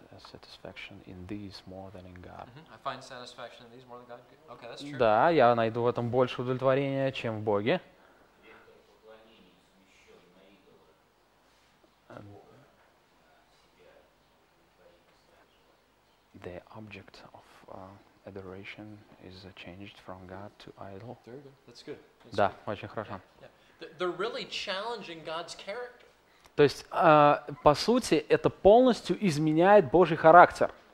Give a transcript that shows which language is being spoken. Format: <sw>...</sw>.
<en>Satisfaction in these more than in God. Mm-hmm. I find satisfaction in these more than God. Okay, that's true.</en> <ru>Да, я найду в этом больше удовлетворения, чем в Боге.</ru> <en>The object of adoration is changed from God to idol. There you go. That's good. That's</en> <ru>да,</ru> <en>good.</en> <ru>Очень хорошо.</ru> <en>Yeah. They're really challenging God's character.</en> <ru>То есть, по сути, это полностью изменяет Божий характер.</ru>